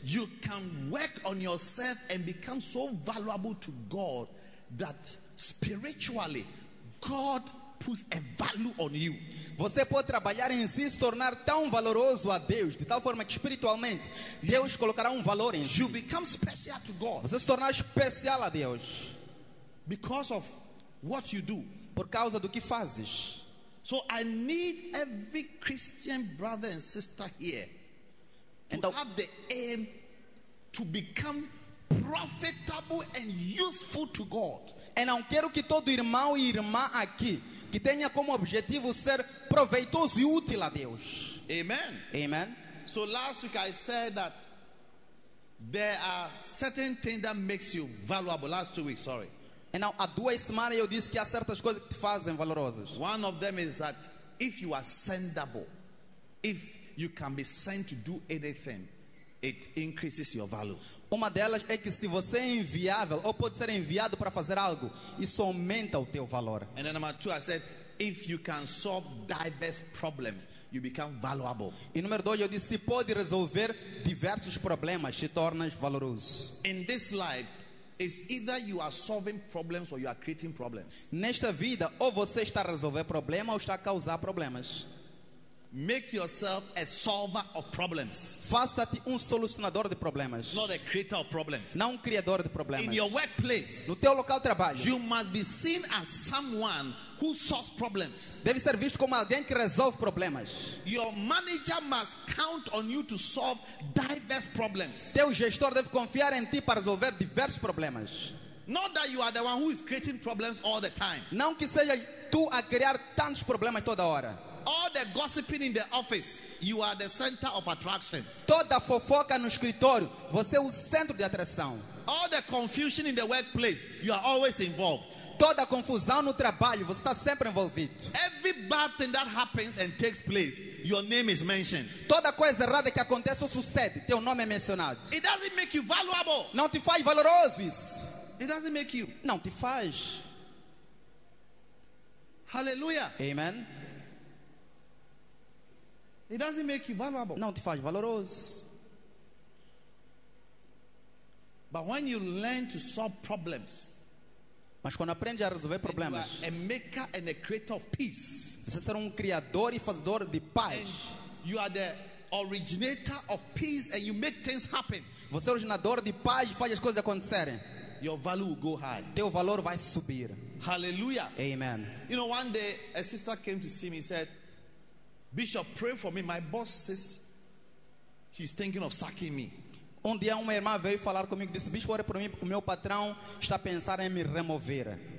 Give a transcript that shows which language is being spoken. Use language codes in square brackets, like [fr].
[en] You can work on yourself and become so valuable to God that spiritually God puts a value on you. [pt] Você pode trabalhar em si e se tornar tão valoroso a Deus, de tal forma que espiritualmente Deus colocará valor em si. [en] You become special to God. [pt] Você se tornará especial a Deus. [en] Because of what you do. [pt] Por causa do que fazes. [en] So I need every Christian brother and sister here to have the aim to become profitable and useful to God. [pt] E não quero que todo irmão e irmã aqui que tenha como objetivo ser proveitoso e útil a Deus. Amen. Amen. [en] So last week I said that there are certain things that makes you valuable. Last 2 weeks, sorry. [pt] E não, há duas semanas eu disse que há certas coisas que te fazem valorosos. [en] One of them is that if you are sendable, if you can be sent to do anything, it increases your value. [pt] Uma delas é que se você é enviável ou pode ser enviado para fazer algo, isso aumenta o teu valor. [en] And then number two, I said, if you can solve diverse problems, you become valuable. [pt] E número dois, eu disse, se pode resolver diversos problemas, se tornas valoroso. [en] In this life, it's either you are solving problems or you are creating problems. [pt] Nesta vida, ou você está a resolver problemas ou está a causar problemas. [en] Make yourself a solver of problems. [pt] Faça-te solucionador de problemas. [en] Not a creator of problems. [pt] Não criador de problemas. [en] In your workplace, [pt] no teu local de trabalho, [en] you must be seen as someone who solves problems. [pt] Deve ser visto como alguém que resolve problemas. [en] Your manager must count on you to solve diverse problems. [pt] Teu gestor deve confiar em ti para resolver diversos problemas. [en] Not that you are the one who is creating problems all the time. [pt] Não que seja tu a criar tantos problemas toda hora. [en] All the gossiping in the office, you are the center of attraction. [pt] Toda fofoca no escritório, você é o centro de atração. [en] All the confusion in the workplace, you are always involved. [pt] Toda confusão no trabalho, você está sempre envolvido. [en] Every bad thing that happens and takes place, your name is mentioned. [pt] Toda coisa errada que acontece ou sucede, teu nome é mencionado. [en] It doesn't make you valuable. [pt] Não te faz valoroso isso. [en] It doesn't make you. [pt] Não te faz. Hallelujah. Amen. [en] It doesn't make you valuable. [pt] Não te faz valoroso. [en] But when you learn to solve problems, [pt] mas quando aprende a resolver problemas, [en] you are a maker and a creator of peace. [pt] Você será criador e fazedor de paz. [en] And you are the originator of peace and you make things happen. [pt] Você é originador de paz e faz as coisas acontecerem. [en] Your value will go high. [pt] Teu valor vai subir. Hallelujah. Amen. [en] You know, one day a sister came to see me and said, Bishop, pray for me. My boss says she's thinking of sacking me. [pt] Um dia uma irmã veio falar comigo, disse, Bishop, ore por mim, o meu patrão está a pensar em me remover.